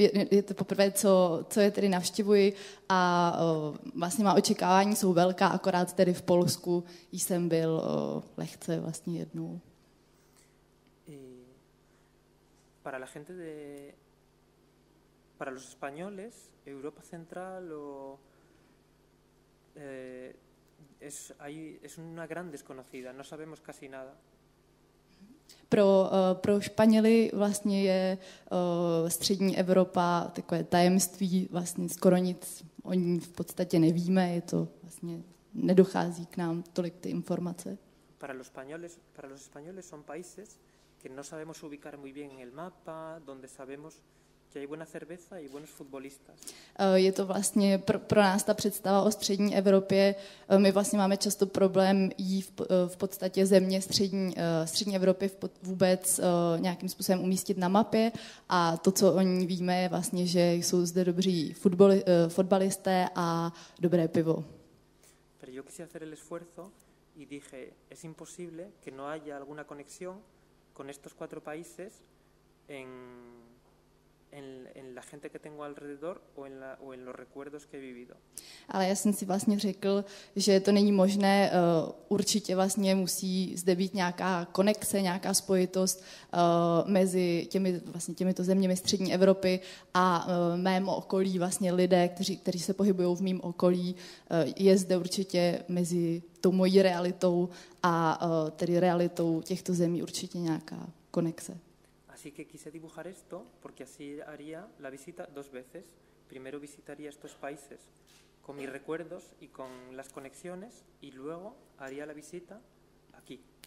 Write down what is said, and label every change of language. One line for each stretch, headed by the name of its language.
Czech: Je to poprvé, co je tedy navštívuji a vlastně má očekávání jsou velká, akorát tedy v Polsku jsem byl lehce vlastně jednou.
Spanish: Para la gente de para los españoles, Europa Central o es una gran desconocida, no sabemos casi nada.
Czech: Pro Španěly vlastně je střední Evropa takové tajemství, vlastně skoro nic o ní v podstatě nevíme, je to vlastně nedochází k nám tolik ty informace.
Spanish: Para los españoles son países que no sabemos ubicar muy bien el mapa, donde sabemos que hay buena cerveza y buenos futbolistas.
Czech: Je to vlastně pro nás ta představa o střední Evropě. My vlastně máme často problém jí v podstatě země střední Evropy vůbec nějakým způsobem umístit na mapě. A to, co o ní víme, je vlastně, že jsou zde dobří fotbalisté a dobré pivo.
Spanish: Pero yo quise hacer el esfuerzo y dije, es imposible que no haya alguna conexión con estos cuatro países en la gente que tengo alrededor o en los recuerdos que he vivido.
Czech: Ale já jsem si vlastně řekl, že to není možné, určitě vlastně musí zde být nějaká konexe, nějaká spojitost mezi těmi vlastně těmito zeměmi střední Evropy a mém okolí, vlastně lidé, kteří se pohybují v mém okolí, je zde určitě mezi tou mojí realitou a tedy realitou těchto zemí určitě nějaká konexe.
Spanish: Así que quise dibujar esto porque así haría la visita dos veces. Primero visitaría estos países con mis recuerdos y con las conexiones y luego haría la visita aquí.